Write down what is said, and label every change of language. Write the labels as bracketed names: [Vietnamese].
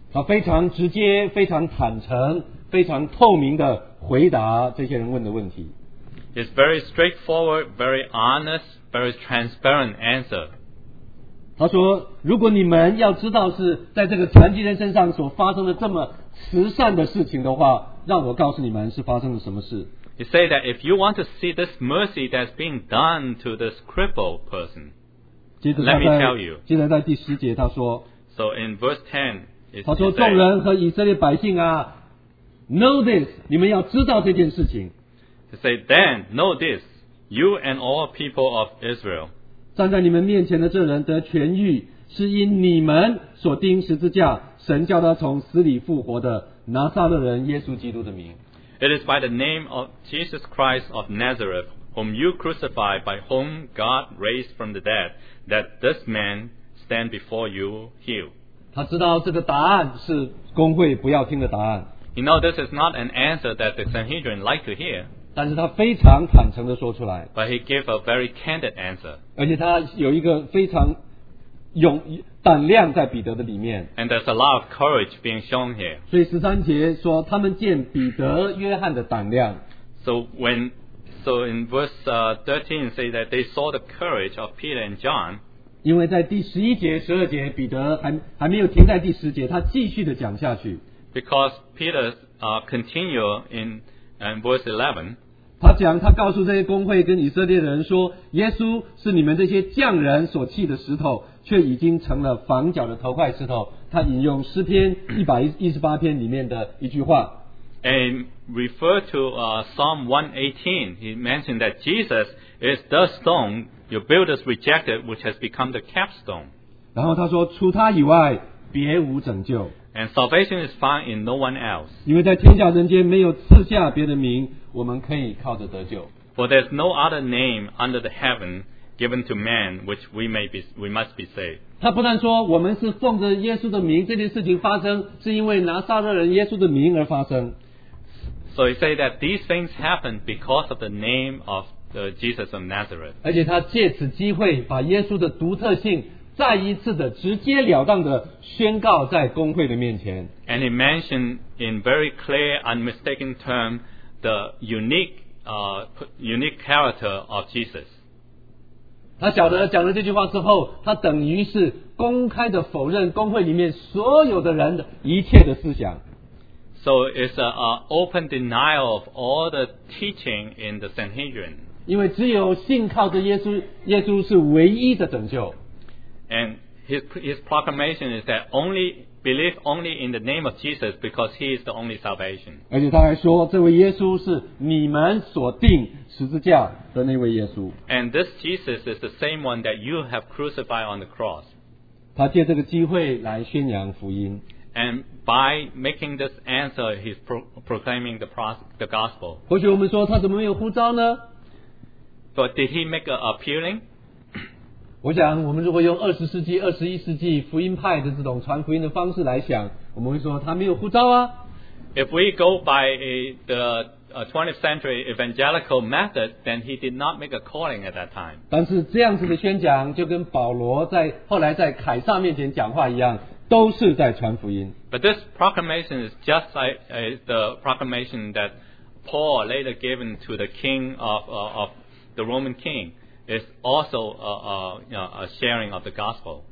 [Chinese] 他非常直接，非常坦诚，非常透明的回答这些人问的问题。 [English] It's very straightforward, very honest, very transparent answer. [Chinese] 他说，如果你们要知道是在这个残疾人身上所发生的这么慈善的事情的话，让我告诉你们是发生了什么事。 [English] He said that if you want to see this mercy that's being done to this crippled person, let me tell you. [Chinese] 接着在第十节他说， [English] So in verse 10, [Chinese] 他说众人和以色列百姓啊， [English] know this, [Chinese] 你们要知道这件事情。 [English] He said, then know this, you and all people of Israel. [Chinese] 站在你们面前的这人得痊愈，是因你们所钉十字架，神叫他从死里复活的拿撒勒人耶稣基督的名。 [English] It is by the name of Jesus Christ of Nazareth, whom you crucified, by whom God raised from the dead, that this man stand before you healed. [Chinese] 他知道这个答案是公会不要听的答案。 [English] You know, this is not an answer that the Sanhedrin like to hear. [Chinese] 但是他非常坦诚地说出来。 [English] But he gave a very candid answer. [Chinese] 而且他有一个非常勇胆量在彼得的里面。 [English] And there's a lot of courage being shown here. [Chinese] 所以十三节说他们见彼得约翰的胆量。 [English] So in verse 13 say that they saw the courage of Peter and John. [Chinese] 因为在第十一节十二节彼得还没有停在第十节，他继续的讲下去。 [English] Because Peter continue in verse 11. [Chinese] 他讲他告诉这些公会跟以色列人说，耶稣是你们这些匠人所弃的石头，却已经成了房角的头块石头。他引用诗篇118篇里面的一句话。 [English] And refer to Psalm 118. He mentioned that Jesus is the stone your builders rejected, which has become the capstone. [Chinese] 然后他说，除他以外，别无拯救。 [English] And salvation is found in no one else. [Chinese] 因为在天下人间没有赐下别的名，我们可以靠着得救。 [English] For there's no other name under the heaven given to man, which we must be saved. [Chinese] 他不但说我们是奉着耶稣的名，这件事情发生是因为拿撒勒人耶稣的名而发生。 [English] So he said that these things happened because of the name of Jesus of Nazareth. [Chinese] 而且他借此机会把耶稣的独特性再一次的直接了当的宣告在公会的面前。 [English] And he mentioned in very clear, unmistaken terms the unique character of Jesus. [Chinese] 他晓得讲了这句话之后，他等于是公开的否认公会里面所有的人的一切的思想。 [English] So it's an open denial of all the teaching in the Sanhedrin. [Chinese] 因为只有信靠着耶稣，耶稣是唯一的拯救。 [English] And his proclamation is that only believe only in the name of Jesus because he is the only salvation. [Chinese] 而且他还说，这位耶稣是你们所钉十字架的那位耶稣。 [English] And this Jesus is the same one that you have crucified on the cross. [Chinese] 他借这个机会来宣扬福音。 [English] And by making this answer, he's proclaiming the gospel. [Chinese] 或许我们说他怎么没有呼召呢？ [English] But did he make an appealing? [Chinese] 我想我们如果用二十世纪、二十一世纪福音派的这种传福音的方式来想，我们会说他没有呼召啊。 [English] If we go by the 20th century evangelical method, then he did not make a calling at that time. [Chinese] 但是这样子的宣讲就跟保罗在后来在凯撒面前讲话一样。都是在传福音。 [English] But this proclamation is just like the proclamation that Paul later given to the king of the Roman king. It's also a sharing of the gospel.